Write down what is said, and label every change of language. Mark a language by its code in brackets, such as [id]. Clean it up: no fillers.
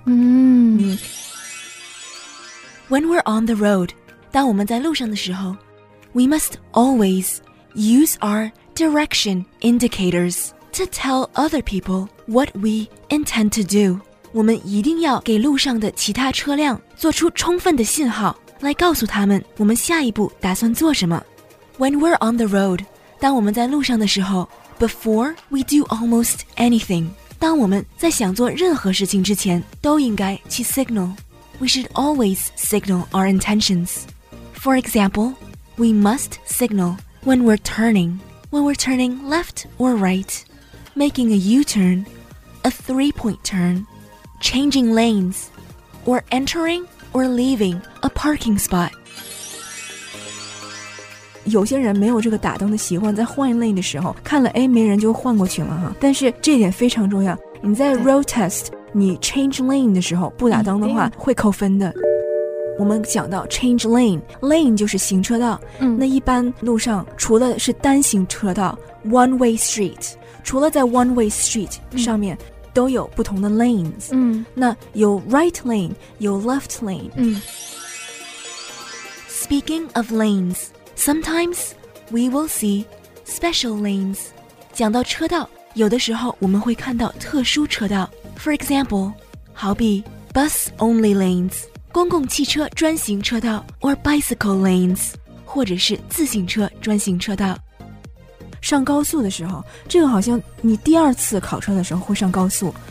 [en] When we're on the road, [zh] 当我们在路上的时候， [en] we must alwaysUse our direction indicators to tell other people what we intend to do. [zh] 我们一定要给路上的其他车辆做出充分的信号，来告诉他们我们下一步打算做什么。 [en] When we're on the road, [zh] 当我们在路上的时候， [en] before we do almost anything, [zh] 当我们在想做任何事情之前，都应该去 signal. [en] We should always signal our intentions. For example, we must signal. When we're turning left or right, making a U-turn, a three-point turn, changing lanes, or entering or leaving a parking spot. [zh] 有些人没有这个打灯的习惯，在换 lane 的时候看了，哎，没人就换过去了哈。但是这点非常重要，你在 road test 你 change lane 的时候不打灯的话会扣分的。我们讲到 change lane, lane 就是行车道。那一般路上除了是单行车道 one way street, 除了在 one way street 上面都有不同的 lanes, 那有 right lane, 有 left lane. [en] Speaking of lanes, sometimes we will see special lanes. [zh] 讲到车道，有的时候我们会看到特殊车道。 [en] For example, 好比 bus only lanes, [zh] 公共汽车专行车道 [en] or bicycle lanes, [zh] 或者是自行车专行车道。上高速的时候，这个好像你第二次考车的时候会上高速。